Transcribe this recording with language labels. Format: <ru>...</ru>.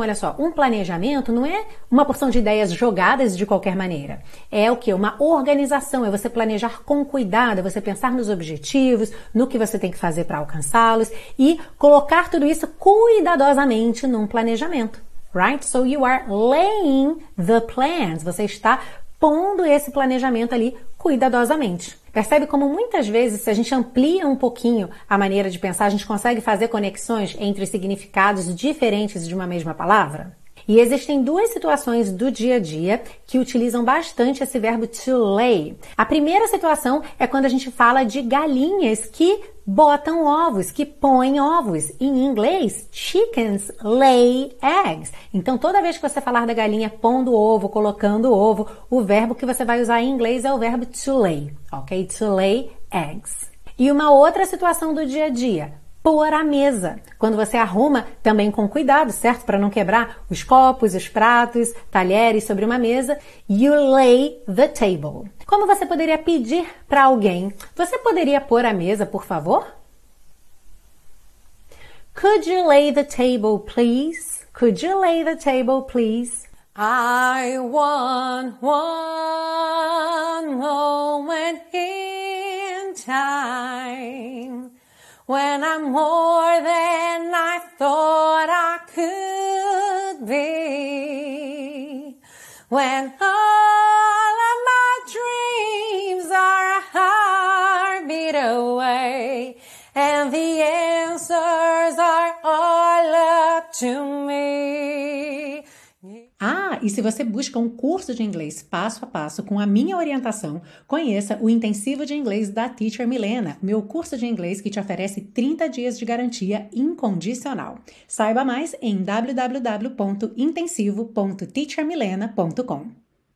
<pt>Olha só, um planejamento não é uma porção de ideias jogadas de qualquer maneira. É o quê? Uma organização, é você planejar com cuidado, é você pensar nos objetivos, no que você tem que fazer para alcançá-los e colocar tudo isso cuidadosamente num planejamento.</pt> <en>Right? So you are laying the plans.</en> <pt>Você está pondo esse planejamento ali cuidadosamente. Percebe como muitas vezes, se a gente amplia um pouquinho a maneira de pensar, a gente consegue fazer conexões entre significados diferentes de uma mesma palavra? E existem duas situações do dia a dia que utilizam bastante esse verbo to lay. A primeira situação é quando a gente fala de galinhas que botam ovos, que põem ovos. Em inglês,</pt> <en>chickens lay eggs.</en> <pt>Então, toda vez que você falar da galinha pondo ovo, colocando ovo, o verbo que você vai usar em inglês é o verbo to lay, ok?</pt> <en>To lay eggs.</en> <pt>E uma outra situação do dia a dia... Pôr a mesa. Quando você arruma, também com cuidado, certo? Para não quebrar os copos, os pratos, talheres sobre uma mesa.</pt> <en>You lay the table.</en> <pt>Como você poderia pedir para alguém? Você poderia pôr a mesa, por favor?</pt> <en>Could you lay the table, please? Could you lay the table, please? I want one moment in time. When I'm more than I thought I could be. When all of my dreams are a heartbeat away. And the answers are all up to me.</en> <pt>Ah, e se você busca um curso de inglês passo a passo com a minha orientação, conheça o Intensivo de Inglês da Teacher Milena, meu curso de inglês que te oferece 30 dias de garantia incondicional. Saiba mais em www.intensivo.teachermilena.com.</pt>